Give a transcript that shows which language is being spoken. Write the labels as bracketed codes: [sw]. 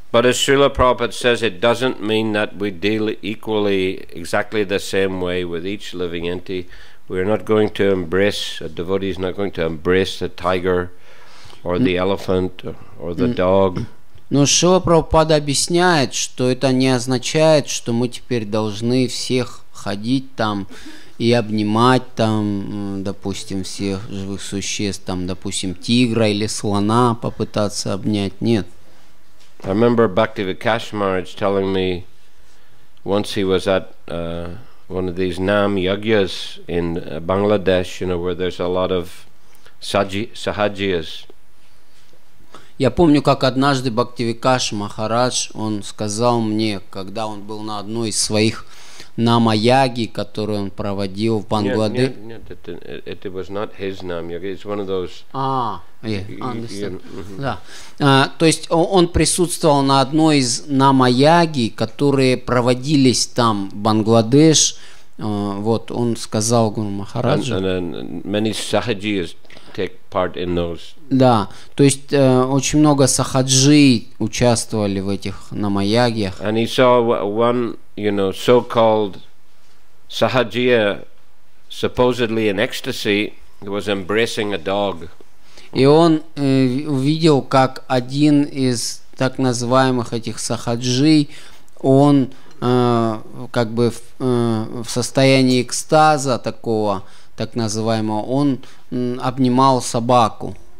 [en] But as Srila Prabhupada says, it doesn't mean that we deal equally, exactly the same way with each living entity. We're not going to embrace, a devotee is not going to embrace the tiger or the elephant or the dog. [ru] Но Шрила Прабхупада объясняет, что это не означает, что мы теперь должны всех ходить там и обнимать там, допустим, всех живых существ, там, допустим, тигра или слона попытаться обнять. Нет. [en] I remember Bhakti Vikash Maharaj telling me once he was at one of these Nam Yagyas in Bangladesh, you know, where there's a lot of sahajiyas. [ru] Я помню, как однажды Бхакти Викаш Махарадж, он сказал мне, когда он был на одной из своих намаяги, которую он проводил в Бангладе. [en] It was not his намаяги, it's one of those... [ru] То есть он присутствовал на одной из намаяги, которые проводились там в Бангладеш. Вот, он сказал Гуру Махараджу. [en] Many sahajiyas take part in those. [ru] Да, то есть очень много сахаджи участвовали в этих намаягиях. [en] And he saw one, you know, so-called sahajiya, supposedly in ecstasy, was embracing a dog. [ru] И он увидел, как один из так называемых этих сахаджи, он как бы в состоянии экстаза такого, так называемого, он обнимал собаку.